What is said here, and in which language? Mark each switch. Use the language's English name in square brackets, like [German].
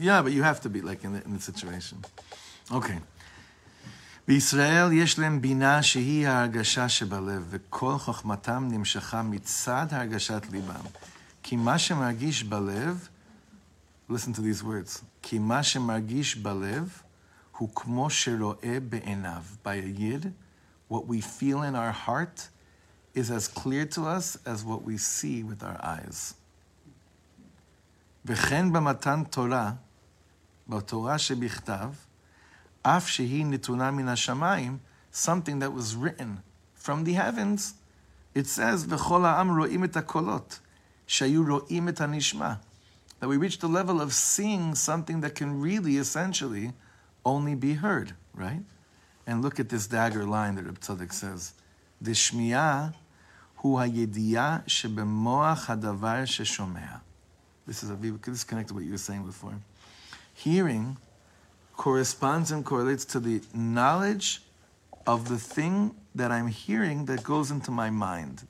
[English] Yeah, but you have to be like in the situation. Okay. [Hebrew] בישראל יש להם בינה שהיא ההרגשה שבלב, וכל חוכמתם נמשכה מצד הרגשת ליבם. כי מה שמרגיש בלב, [English] listen to these words, [Hebrew] כי מה שמרגיש בלב הוא כמו שרואה בעיניו. [English] By a yid, what we feel in our heart is as clear to us as what we see with our eyes. [Hebrew] וכן במתן תורה, בתורה שבכתב, אף שהיא נתונה מן השמיים, [English] something that was written from the heavens, [Hebrew] it says, וכל העם רואים את הקולות, שהיו רואים את הנשמה. [English] that we reach the level of seeing something that can really, essentially, only be heard, right? And look at this dagger line that Reb Tzadok says. [Hebrew] The Shmiya, hu hayediya shebemoach hadavar sheshomea. [English] This is a disconnect to what you were saying before. Hearing corresponds and correlates to the knowledge of the thing that I'm hearing that goes into my mind.